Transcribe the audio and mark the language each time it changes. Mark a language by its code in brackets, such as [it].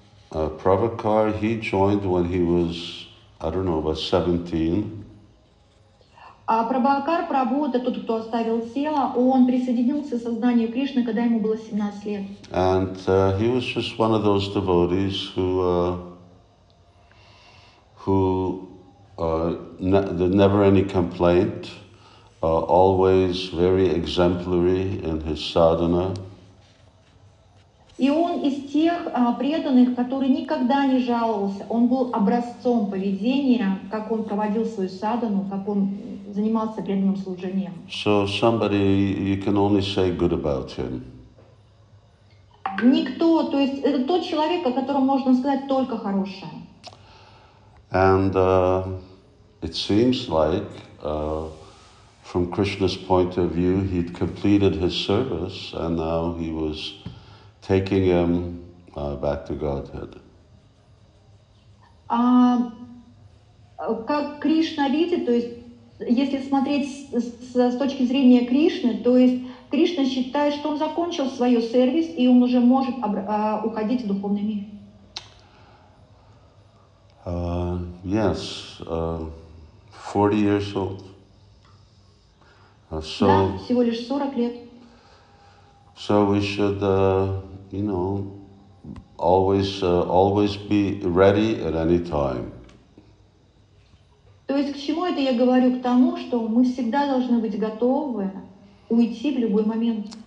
[en] Prabhakar, he joined when he was, I don't know, about 17. [ru] А Прабхакар Прабху, это тот, кто оставил тело, он присоединился к сознанию Кришны, когда ему было 17 лет. [en] And he was just one of those devotees who never any complaint, always very exemplary in his sadhana. [ru] И он из тех преданных, который никогда не жаловался. Он был образцом поведения, как он проводил свою садхану, как он занимался преданным служением. [en] So somebody you can only say good about him. [ru] Никто, то есть это тот человек, о котором можно сказать только хорошее. [en] And it seems like from Krishna's point of view, he'd completed his service and now he was taking him back to Godhead. [ru] Как Кришна видит, то есть если смотреть с точки зрения Кришны, то есть Кришна считает, что он закончил свой сервис и он уже может уходить в духовный мир. [en] Yes, 40 years old. So, [ru] да, всего лишь 40 лет. [en] So we should always be ready at any time. [ru] То есть к чему это я говорю? К тому, что мы всегда должны быть готовы уйти в любой момент.